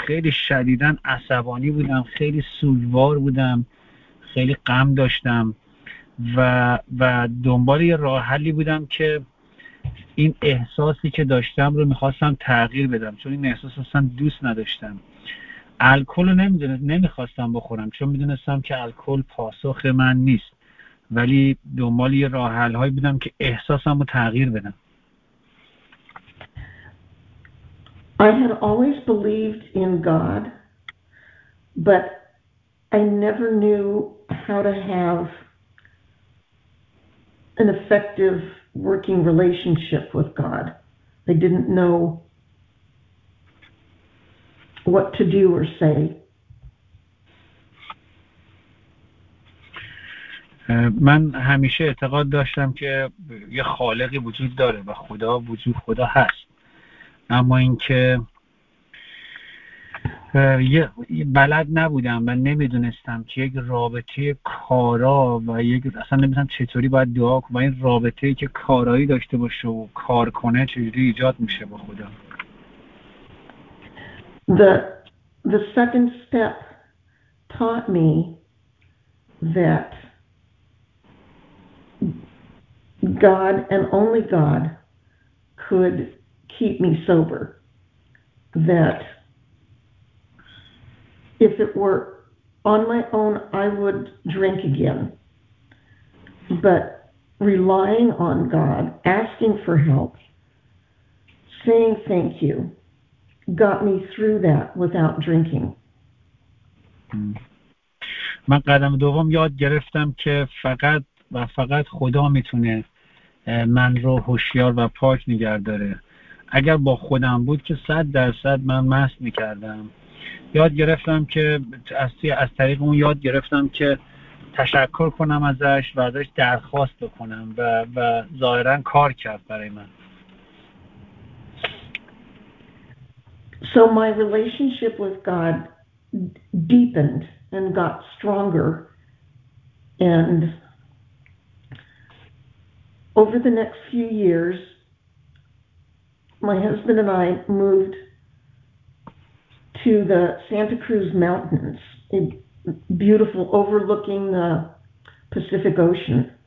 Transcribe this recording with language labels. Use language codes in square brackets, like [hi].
[fa] خیلی شدیدا عصبانی بودم، خیلی سوگوار بودم، خیلی غم داشتم و و دنبال یه راه حلی بودم که این احساسی که داشتم رو میخواستم تغییر بدم، چون این احساس اصلا دوست نداشتم. الکل رو نمیخواستم بخورم چون میدونستم که الکل پاسخ من نیست، ولی دنبال یه راه حل هایی بودم که احساسم رو تغییر بدم. [en] I had always believed in God, but I never knew how to have an effective working relationship with God. I didn't know what to do or say. [fa] من همیشه اعتقاد داشتم که یه خالقی وجود داره و خدا وجود خدا هست، اما اینکه بلد نبودم و نمیدونستم که یک رابطه کارا و یک اصلا نمیدونم چطوری باید دعا کنم و این رابطه ای که کارایی داشته باشه و کار کنه چجوری ایجاد میشه با خدا. [en] The second step taught me that God and only God could keep me sober, that if it were on my own, I would drink again. But relying on God, asking for help, saying thank you, got me through that without drinking. [fa] من قدم دوم یاد گرفتم که فقط و فقط خدا میتونه من رو هوشیار و پاک نگه داره. اگر با خودم بود که 100% من مست میکردم. یاد گرفتم که از طریق اون یاد گرفتم که تشکر کنم ازش و ازش درخواست بکنم و ظاهرا کار کرد برای من. [en] So my relationship with God deepened and got stronger, and over the next few years my husband and I moved to the Santa Cruz Mountains, a beautiful overlooking the Pacific Ocean.